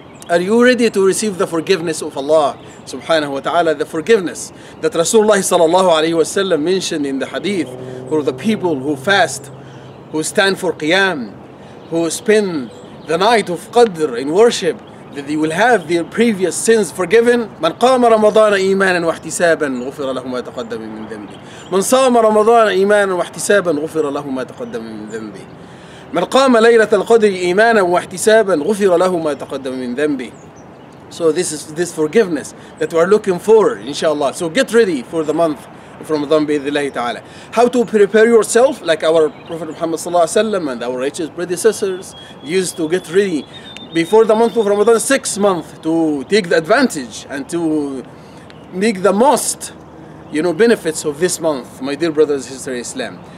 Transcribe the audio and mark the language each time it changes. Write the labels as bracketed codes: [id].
[en] Are you ready to receive the forgiveness of Allah subhanahu wa ta'ala, the forgiveness that Rasulullah sallallahu alayhi wa sallam mentioned in the hadith for the people who fast, who stand for qiyam, who spend the night of qadr in worship, that they will have their previous sins forgiven? [ar] من قام رمضان إيمانا واحتسابا غفر له ما تقدم من ذنبه. من صام رمضان إيمانا واحتسابا غفر له ما تقدم من ذنبه. من قام ليلة القدر إيمانا واحتسابا غفر له ما تقدم من ذنبه. [en] So this is this forgiveness that we are looking for, inshallah. So get ready for the month of Ramadan bi'idhnillahi ta'ala. How to prepare yourself? Like our Prophet Muhammad sallallahu alayhi wa sallam and our righteous predecessors used to get ready before the month of Ramadan, 6 months, to take the advantage and to make the most, you know, benefits of this month, my dear brothers and sisters in Islam.